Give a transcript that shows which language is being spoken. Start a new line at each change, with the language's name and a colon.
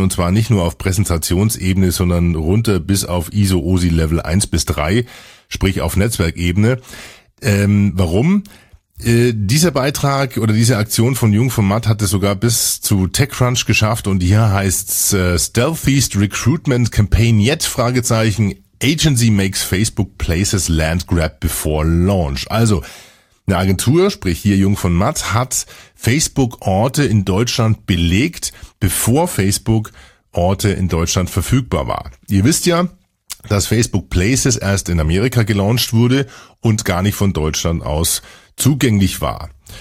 German: Und zwar nicht nur auf Präsentationsebene, sondern runter bis auf ISO-OSI Level 1 bis 3, sprich auf Netzwerkebene. Warum? Dieser Beitrag oder diese Aktion von Jung von Matt hat es sogar bis zu TechCrunch geschafft und hier heißt es
English: Stealthiest Recruitment Campaign Yet?
German: Fragezeichen.
English: Agency makes Facebook Places land grab before launch.
German: Also eine Agentur, sprich hier Jung von Matt, hat Facebook-Orte in Deutschland belegt, bevor Facebook-Orte in Deutschland verfügbar war. Ihr wisst ja, dass Facebook Places erst in Amerika gelauncht wurde und gar nicht von Deutschland aus zugänglich war.